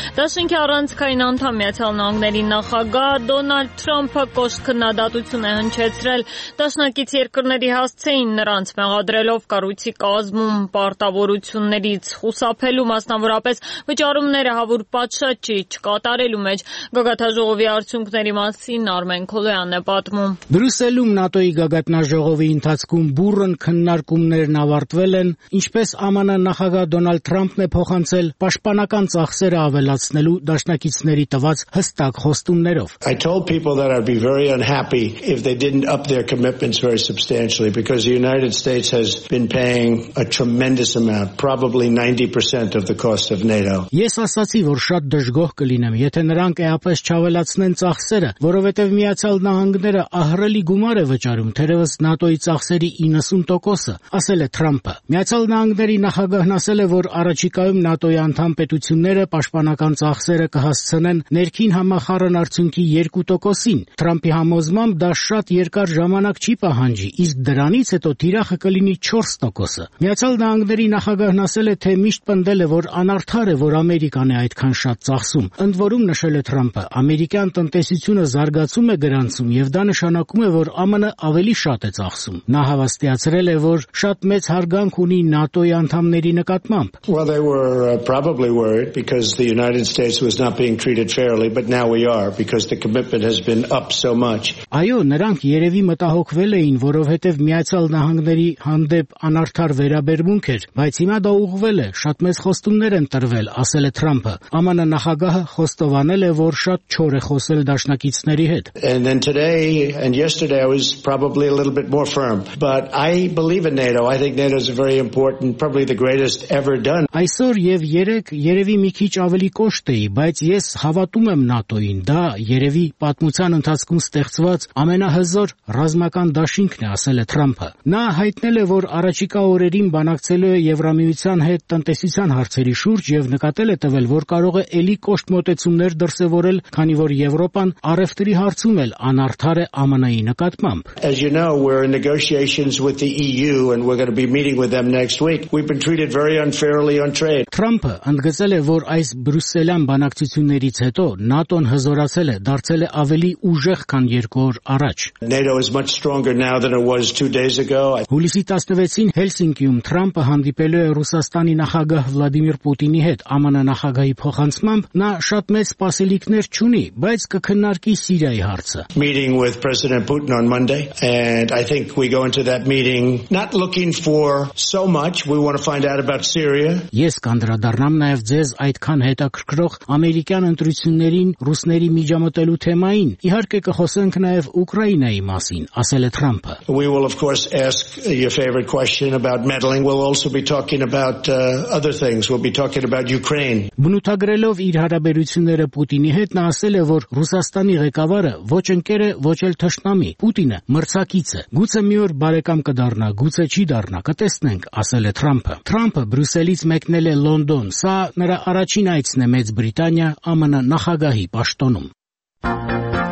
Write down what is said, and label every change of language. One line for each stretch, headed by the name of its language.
Armenian: Դաշնքի առանցքային անդամ Միացյալ Նահանգների նախագահ Դոնալդ Թրամփը կոշտ քննադատություն է հնչեցրել դաշնակից երկրների հասցեին, նրանց մեղադրելով կառույցի կազմում պարտավորություններից խուսափելու մասնավորապես վճարումները հավուր պատշաճի չկատարելու մեջ։ Գագաթաժողովի արդյունքների մասին Արմեն Քոլոյանն է պատմում։ Բրյուսելում ՆԱՏՕ-ի գագաթաժողովի ընթացքում բուրըն քննարկումներն ավարտվել են, ինչպես ԱՄՆ նախագահ Դոնալդ Թրամփն է փոխանցել պաշտպանական ծախսերը ավելացնելու դաշնակիցների տված հստակ խոստումներով։
English: I told people that I'd be very unhappy if they didn't up their commitments very substantially because the United States has been paying a tremendous amount, probably 90% of the cost. cost of NATO.
Armenian: Ես ասացի, որ շատ դժգոհ կլինեմ, եթե նրանք էապես չավելացնեն ծախսերը, որովհետև Միացյալ Նահանգները ահռելի գումար է վճարում, թերևս ՆԱՏՕ-ի ծախսերի 90%-ը, ասել է Թրամփը։ Միացյալ Նահանգների նախագահն ասել է, որ առաջիկայում ՆԱՏՕ-ի անդամ պետությունները պաշտպանական ծախսերը կհասցնեն ներքին համախառն արդյունքի 2%-ին։ Թրամփի համոզմամբ դա շատ երկար ժամանակ չի պահանջի, իսկ դրանից հետո տիրախը կլինի 4%-ը։ Միացյալ Նահանգների նախագահն ասել է, թե միշտ պնդել է, որ անարդար է, որ Ամերիկան է այդքան շատ ծախսում։ Ընդ որում, նշել է Թրամփը, ամերիկյան տնտեսությունը զարգացում է գրանցում և դա նշանակում է, որ ԱՄՆ-ը ավելի շատ է ծախսում։ Նա հավաստիացրել է, որ շատ մեծ հարգանք ունի ՆԱՏՕ-ի անդամների նկատմամբ։
English: Well, they were probably worried because the United States was not being treated fairly, but now we are because the commitment has been up so much.
Armenian: Այո, նրանք երևի մտահոգվել էին, որովհետև Միացյալ Նահանգների հանդեպ անարդար վերաբերմունք էր, բայց հիմա դա ուղղվել է, շատ մեծ խոստումներ են տրվել, ասել է Թրամփը։ ԱՄՆ նախագահը խոստովանել է, որ շատ չոր է խոսել դաշնակիցների հետ։
English: And then today and yesterday I was probably a little bit more firm, but I believe in NATO. I think NATO is very important, probably the greatest ever done.
Armenian: Այսօր եւ երեկ երևի մի քիչ ավելի կոշտ էի, բայց ես հավատում եմ ՆԱՏՕ-ին, դա երևի պատմության ընթացքում ստեղծված ամենահզոր ռազմական դաշինքն է, ասել է Թրամփը։ Նա հայտնել է, որ առաջիկա օրերին բանակցելու է Եվրամիության հետ տնտեսության հարցերի շուրջ եւ նկատել է տվել, որ կարող է ելի կոշտ մոտեցումներ դրսևորել, քանի որ Եվրոպան առևտրի հարցում էլ անարդար է ԱՄՆ-ի նկատմամբ։
English: As you know, we're in negotiations with the EU and we're going to be meeting with them next week. We've been treated very unfairly on trade.
Armenian: Թրամփը ընդգծել է, որ այս բրյուսելյան բանակցություններից հետո ՆԱՏՕ-ն հզորացել է, դարձել է ավելի ուժեղ, քան 2 օր առաջ։
English: NATO is much stronger now than it was 2 days ago.
Armenian: Հուլիսի 16-ին Հելսինկիում Թրամփը հանդիպելու է Ռուսաստանի նախագահ Վլադիմիր Պուտինի հետ, ԱՄՆ նախագահի փոխանցմամբ։ Նա շատ մեծ սպասելիքներ չունի, բայց կքննարկի Սիրիայի հարցը։
English: Meeting with President Putin on Monday, and I think we go into that meeting not looking for so much. We want to find out about Syria.
Armenian: Ես կանդրադառնամ նաև ձեզ այդքան հետաքրքրող ամերիկյան ընտրություններին ռուսների միջամտելու թեմային։ Իհարկե կխոսենք նաև Ուկրաինայի մասին, ասել է Թրամփը։
English: We will of course ask your favorite question about meddling. We'll also be talking about other things. We'll be talking about Ukraine.
Armenian: Բնութագրելով իր հարաբերությունները Պուտինի հետ, նա ասել է, որ Ռուսաստանի ղեկավարը ոչ ընկեր է, ոչ էլ թշնամի։ Պուտինը մրցակից է։ Գուցե մի օր բարեկամ կդառնա, գուցե չի դառնա, կտեսնենք, ասել է Թրամփը։ Թրամփը Բրյուսելից մեկնել է Լոնդոն, սա նրա առաջին այցն է Մեծ Բրիտանիա ԱՄՆ նախագահի պաշտոնում։